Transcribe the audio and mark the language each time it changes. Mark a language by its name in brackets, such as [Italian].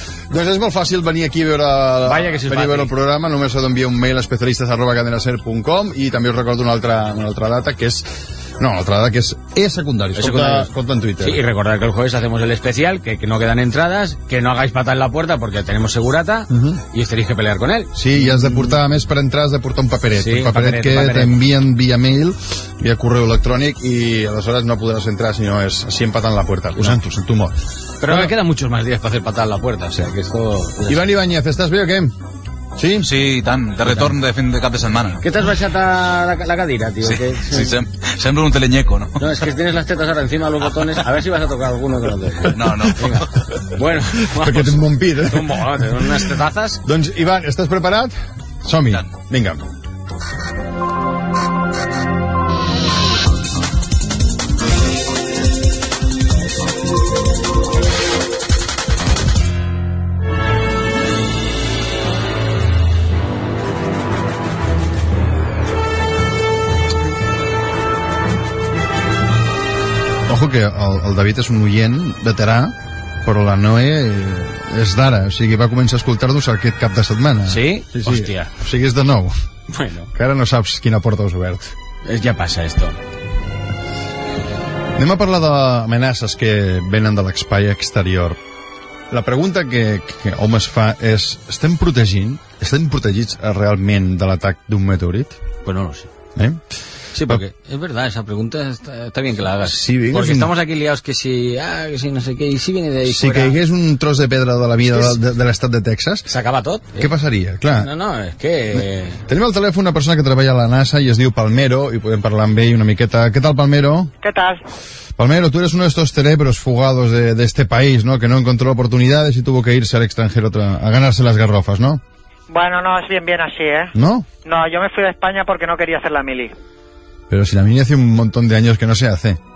[Catalan] doncs és molt fàcil venir aquí a veure, venir a veure el programa. Només heu d'enviar un mail a especialistas@cadenaser.com i també us recordo una altra data, que és... No, l'altra data, que és E-Secundaris. Compte en Twitter. Sí, i [Spanish] recordar que el jueves hacemos el especial, que no quedan entradas, que no hagáis pata en la puerta porque tenemos segurata y tenéis que pelear con él. [Catalan] Sí, i has de portar, a més, per entrar has de portar un paperet. Sí, un paperet que t'envien via mail, via correu electrònic, i aleshores no podràs entrar si no és així empatant [Spanish] la puerta. [Catalan] Ho sento, sento molt. Però [Spanish] me quedan muchos más días para hacer pata en la puerta. O sea, que esto... Iván Ibáñez, ¿estás [Catalan] bé [Spanish] o qué? Sí, [Catalan] sí, tant, de retorn de fin de cap de setmana. Què t'has baixat a la cadira, tio? Sí, que... sí, sembla un teleñeco, ¿no? [Spanish] No, es que tienes las tetas ahora encima de los botones. A ver si vas a tocar alguno de los dos. No. Venga. Bueno, vamos. [Catalan] Perquè tens bon pit, eh? Tens unes tetazes. Doncs, Ivan, estàs preparat? Som-hi. Vinga. Que el David és un oient veterà, però la Noé és d'ara, o sigui, va començar a escoltar-nos aquest cap de setmana. Sí? Sí, sí. Hòstia. O sigui, és de nou. Bueno. Que ara no saps quina porta has obert. Ja passa, [Spanish] esto. [Catalan] Anem a parlar d'amenaces que venen de l'espai exterior. La pregunta que hom es fa és, estem protegits realment de l'atac d'un meteorit? [Spanish] Pues no lo sé. Eh? Sí, porque es verdad, esa pregunta está bien que la hagas. [Catalan] Sí, digues, [Spanish] porque estamos aquí liados que si, que si no sé qué, y si viene de ahí. [Catalan] Si caigués un tros de pedra de la vida de l'estat de Texas. S'acaba tot. Què passaria? Clar. No, és que... Tenim al telèfon una persona que treballa a la NASA i es diu Palmero, i podem parlar amb ell una miqueta. Què tal, Palmero? Què tal? [Spanish] Palmero, tú eres uno de estos cerebros fugados de este país, ¿no? Que no encontró oportunidades y tuvo que irse al extranjero a ganarse las garrofas, ¿no? Bueno, no, es bien así, ¿eh? ¿No? No, yo me fui de España porque no quería hacer la mili. Pero si la mini hace un montón de años que no se hace.